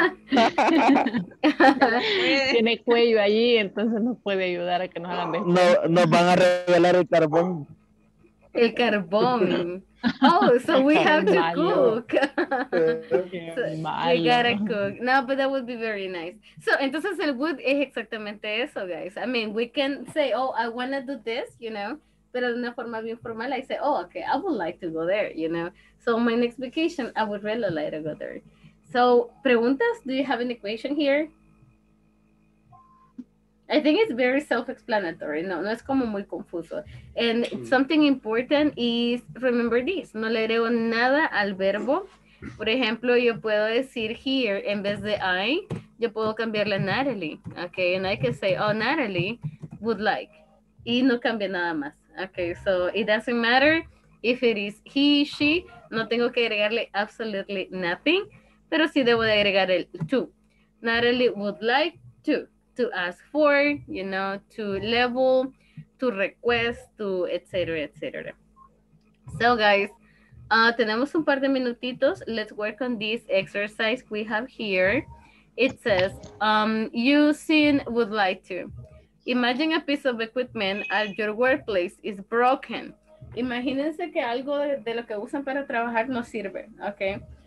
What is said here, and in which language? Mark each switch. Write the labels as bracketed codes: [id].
[es] Tiene cuello allí, entonces nos puede ayudar a que nos hagan mejor. Nos van a revelar el carbón. El carbón. [en] Oh, so we have to cook. We gotta cook. No, but that would be very nice. [es] So, entonces el wood es exactamente eso, guys. [en] I mean, we can say, oh, I want to do this, you know, [es] pero de una forma bien formal, [en] I say, oh, okay, I would like to go there, you know. So my next vacation, I would really like to go there. So, preguntas, do you have an equation here? I think it's very self-explanatory. [es] No es como muy confuso. [en] And something important is, remember this, [es] no le agrego nada al verbo. Por ejemplo, yo puedo decir here, en vez de I, yo puedo cambiarle a Natalie. [en] Okay, and I can say, oh, Natalie would like. [es] Y no cambia nada más. [en] Okay, so it doesn't matter if it is he, she. [es] No tengo que agregarle [en] absolutely nothing. [es] Pero sí debo de agregar el to. [en] Natalie would like to. To ask for, you know, to level, to request, to et cetera, et cetera. [es] So guys, tenemos un par de minutitos. [en] Let's work on this exercise we have here. It says, using would like to. Imagine a piece of equipment at your workplace is broken. [es] Imagínense que algo de lo que usan para trabajar no sirve, okay?